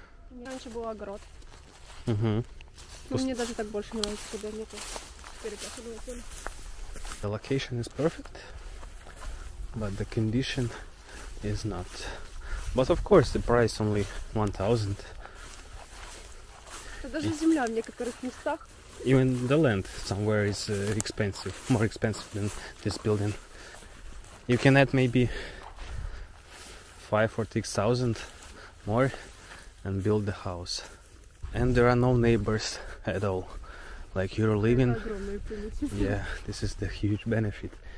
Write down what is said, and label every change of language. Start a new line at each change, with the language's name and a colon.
Russian: У меня раньше был огород. Угу. Ну, мне даже так больше нравится, когда нету перекошенного поля.
English: The location is perfect, but the condition is not. But of course, the price only 1,000.
Russian: Это даже земля в некоторых местах.
English: Even the land somewhere is expensive, more expensive than this building. You can add maybe 5 or 6,000. More and build the house, and there are no neighbors at all. Like you're living, yeah. This is the huge benefit.